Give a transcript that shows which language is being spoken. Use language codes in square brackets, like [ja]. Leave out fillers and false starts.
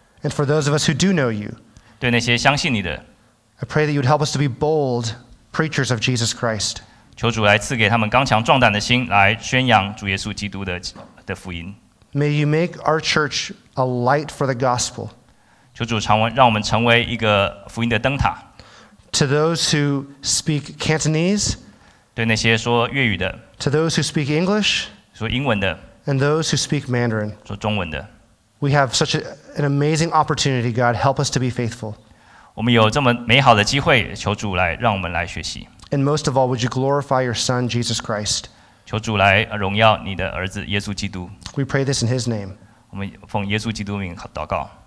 [en] And for those of us who do know you, [zh] 对那些相信你的。 [en] I pray that you would help us to be bold preachers of Jesus Christ. [zh] 求主来赐给他们刚强壮胆的心，来宣扬主耶稣基督的福音。 [en] May you make our church a light for the gospel. [zh] 求主常让我们成为一个福音的灯塔。 [en] To those who speak Cantonese, [zh] 对那些说粤语的。 [en] To those who speak English, [zh] 说英文的。 [en] And those who speak Mandarin, [zh] 说中文的。 [en] We have such an amazing opportunity, God, help us to be faithful. [zh] 我们有这么美好的机会，求主来让我们来学习。 [en] And most of all, would you glorify your Son, Jesus Christ? [zh] 求主来荣耀你的儿子耶稣基督。 [en] We pray this in His name. [zh] 我们奉耶稣基督名祷告。